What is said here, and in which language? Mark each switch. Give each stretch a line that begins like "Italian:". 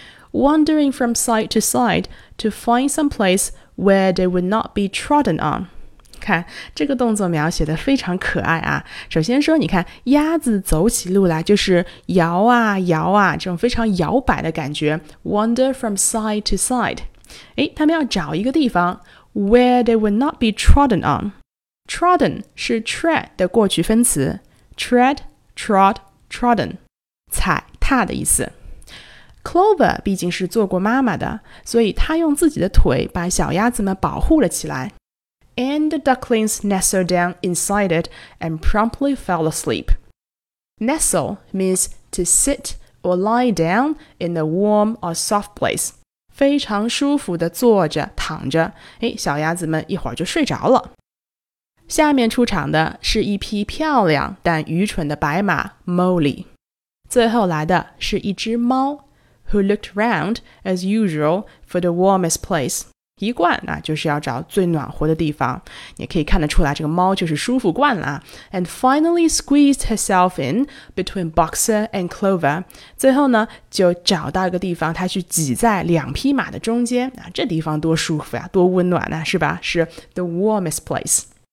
English: Wandering from side to side to find some place where they would not be trodden on
Chinese: 看这个动作描写的非常可爱啊首先说你看鸭子走起路来就是摇啊摇啊这种非常摇摆的感觉
English: wander from side to side
Chinese: 诶他们要找一个地方
English: where they would not be trodden on
Chinese: trodden 是 tread 的过去分词 tread, trod, trodden 踩踏的意思 Clover 毕竟是做过妈妈的所以她用自己的腿把小鸭子们保护了起来
English: And the ducklings nestled down inside it and promptly fell asleep. Nestle means to sit or lie down in a warm or soft place.
Chinese: 非常舒服地坐着躺着，小鸭子们一会儿就睡着了。下面出场的是一匹漂亮但愚蠢的白马 Molly. 最后来的是一只猫
English: who looked round as usual for the warmest place.
Chinese: 一惯那就是要找最暖和的地方你可以看得出来这个猫就是舒服惯了
English: and finally squeezed herself in between Boxer and Clover
Chinese: 最后呢就找到一个地方她去挤在两匹马的中间那这地方多舒服呀多温暖啊是吧是
English: the warmest place